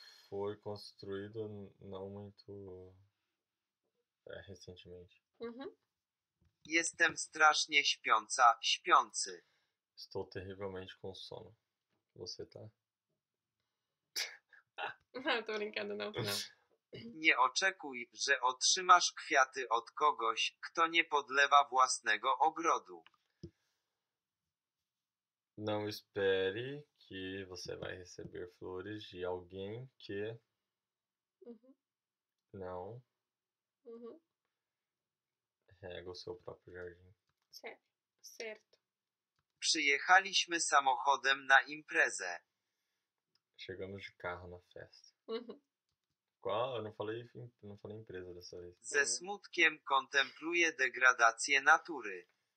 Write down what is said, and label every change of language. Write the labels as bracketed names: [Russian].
[Portuguese] foi construído não muito recentemente. [Polish] Jestem strasznie śpiąca, śpiący. [Portuguese] Estou terrivelmente com sono. Você tá? Não, tô brincando, não, não. [Polish] Nie oczekuj, że otrzymasz kwiaty od kogoś, kto nie podlewa własnego ogrodu. [Portuguese] Não espere que você vai receber flores de alguém que não rega o seu próprio jardim. Certo. [Polish] Przyjechaliśmy samochodem na imprezę. [Portuguese] Chegamos de carro na festa. Qual? Eu não falei empresa dessa vez. [Polish] Ze smutkiem kontempluję degradację natury.